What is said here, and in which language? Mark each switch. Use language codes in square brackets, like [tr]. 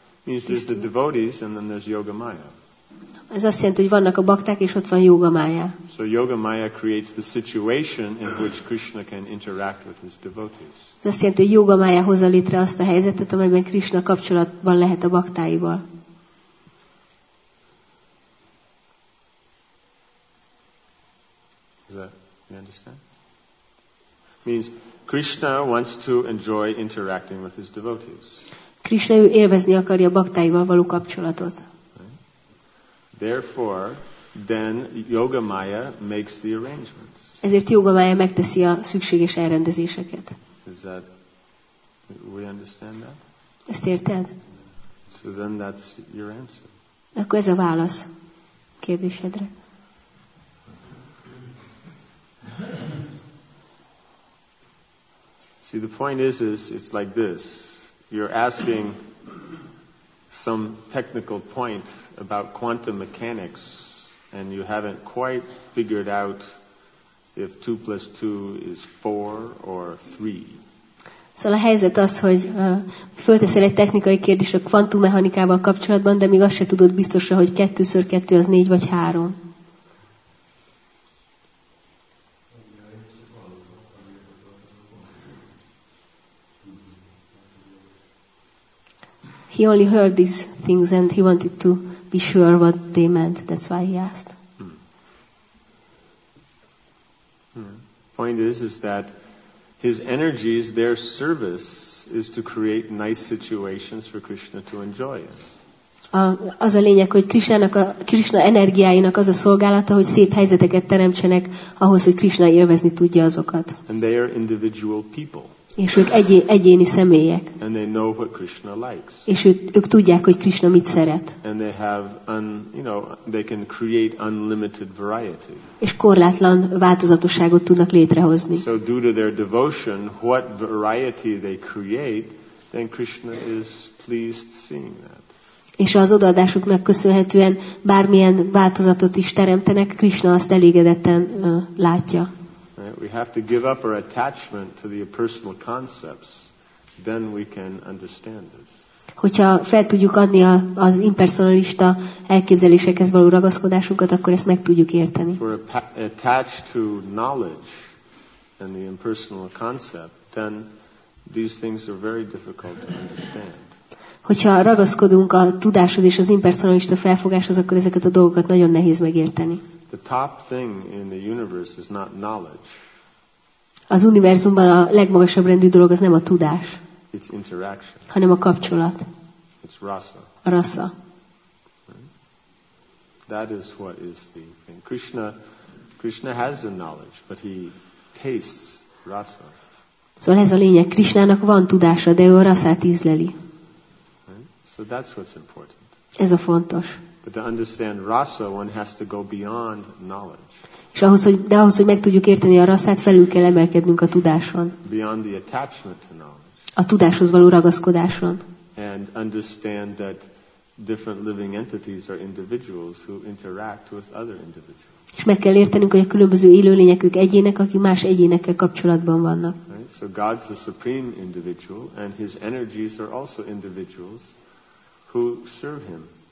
[en] Means there's the devotees and then there's Yoga Maya. [hu] Ez azt jelenti, hogy vannak a bakták és ott van Yoga Maya. [en] So Yoga Maya creates the situation in which Krishna can interact with his devotees. [hu] Ez azt jelenti, hogy Yoga Maya hozza létre azt a helyzetet, amelyben Krishna kapcsolatban lehet a baktáival. [en] Is that, you understand? Means Krishna wants to enjoy interacting with his devotees. [hu] Krishna ő élvezni akarja a baktáival való kapcsolatot. [en] Therefore, then Yoga Maya makes the arrangements. [hu] Ezért Yoga Maya megteszi a szükséges elrendezéseket. [en] Is that, we understand that? [hu] Ezt érted? [en] So then that's your answer. [hu] Akkor ez a válasz kérdésedre. [en] See, the point is it's like this. You're asking some technical point about quantum mechanics and you haven't quite figured out if 2 plus 2 is 4 or 3. [hu] Szóval a helyzet az, hogy fölteszel egy technikai kérdést a kvantummechanikával kapcsolatban, de még azt se tudod biztosra, hogy 2x2 2 az 4 vagy 3. [en] He only heard these things and he wanted to be sure what they meant. That's why he asked. Point is that his energies, their service is to create nice situations for Krishna to enjoy. [hu] Az a lényeg, hogy Krishna energiáinak az a szolgálata, hogy szép helyzeteket teremtsenek ahhoz, hogy Krishna élvezni tudja azokat. [en] And they are individual people. [hu] És ők egyéni személyek. [en] And they know what Krishna likes. [hu] És ők tudják, hogy Krishna mit szeret. [en] And they have they can create unlimited variety. [hu] És korlátlan változatosságot tudnak létrehozni. [en] So due to their devotion, what variety they create, then Krishna is pleased seeing that. [hu] És az odaadásuknak köszönhetően bármilyen változatot is teremtenek, Krishna azt elégedetten látja. [en] We have to give up our attachment to the personal concepts, then we can understand this. [hu] Hogyha fel tudjuk adni az impersonalista elképzelésekhez való ragaszkodásunkat, akkor ezt meg tudjuk érteni. [en] If we're attached to knowledge and the impersonal concept, then these things are very difficult to understand. [hu] Hogyha ragaszkodunk a tudáshoz és az impersonalista felfogáshoz, akkor ezeket a dolgokat nagyon nehéz megérteni. [en] The top thing in the universe is not knowledge. [hu] Az univerzumban a legmagasabb rendű dolog az nem a tudás. [en] It's interaction. [hu] Hanem a kapcsolat. [en] It's rasa. [hu] A rasa. [en] That is what is the thing. Krishna has a knowledge, but he tastes rasa. [hu] Szóval ez a lényeg. Krishnának van tudása, de ő a rasát ízleli. [en] So that's what's important. [hu] Ez a fontos. [en] But to understand rasa, one has to go beyond knowledge. [hu] És ahhoz, hogy meg tudjuk érteni a rasát, felül kell emelkednünk a tudáson. [en] Beyond the attachment to knowledge. [hu] A tudáshoz való ragaszkodáson. [en] And understand that different living entities are individuals who interact with other individuals. [hu] És meg kell értenünk, hogy a különböző élőlények ők egyének, akik más egyénekkel kapcsolatban vannak. [en] Right? So God's the supreme individual, and his energies are also individuals who serve him.